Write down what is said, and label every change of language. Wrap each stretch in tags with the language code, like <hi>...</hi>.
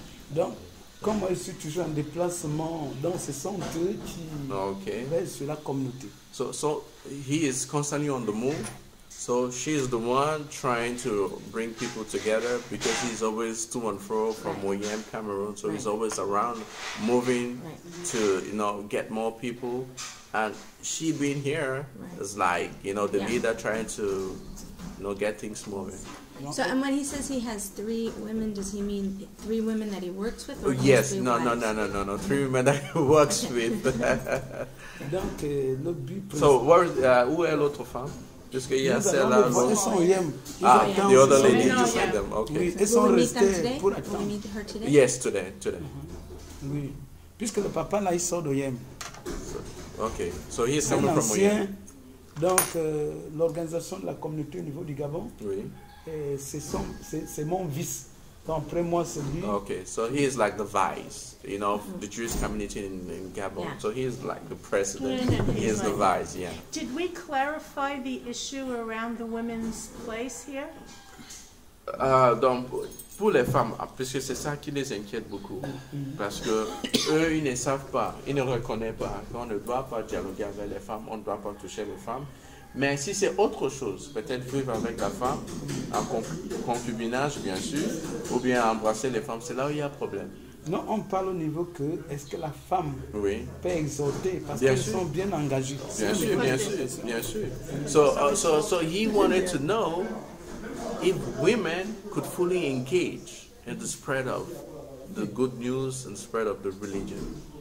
<fr>Donc, comme je suis toujours en déplacement, donc ce sont eux qui veillent sur la communauté.</fr> <en>So he is constantly on the move. So she is the one trying to bring people together because he's always to and fro from Moyen, Cameroon. So he's always around moving to, you know, get more people. And she being here is like, you know, the leader trying to, you know, get things moving. So, and when he says he has three women, does he mean three women that he works with? Or yes, no. Three women that he works with.</en> <fr>Donc, le but. So, où est l'autre femme? Parce qu'il y a celle-là.</fr> <en>The other lady, you just said them. Okay. Will we meet them today? Will we meet her today? Yes, today.</en> <fr>Oui. Puisque le papa là, il sort d'Oyem.</fr> <en>Okay. So, he is someone from Oyem.</en> <fr>Donc, l'organisation de la communauté au niveau du Gabon. Oui. Et c'est mon vice. Donc, après moi, c'est lui.</fr> <en>Okay, so he is like the vice, you know, the Jewish community in Gabon. Yeah. So he is like the president. He is the vice, yeah. Did we clarify the issue around the women's place here?</en> <fr>Donc, pour les femmes, parce que c'est ça qui les inquiète beaucoup. Mm-hmm. Parce que eux, ils ne savent pas, ils ne reconnaissent pas qu'on ne doit pas dialoguer avec les femmes, on ne doit pas toucher les femmes. Mais si c'est autre chose, peut-être vivre avec la femme, en concubinage bien sûr, ou bien embrasser les femmes, c'est là où il y a problème. Non, on parle au niveau que, est-ce que la femme peut exhorter parce bien qu'elles sont bien engagées. Bien sûr.</fr> <en>So he wanted to know if women could fully engage in the spread of the good news and spread of the religion.</en>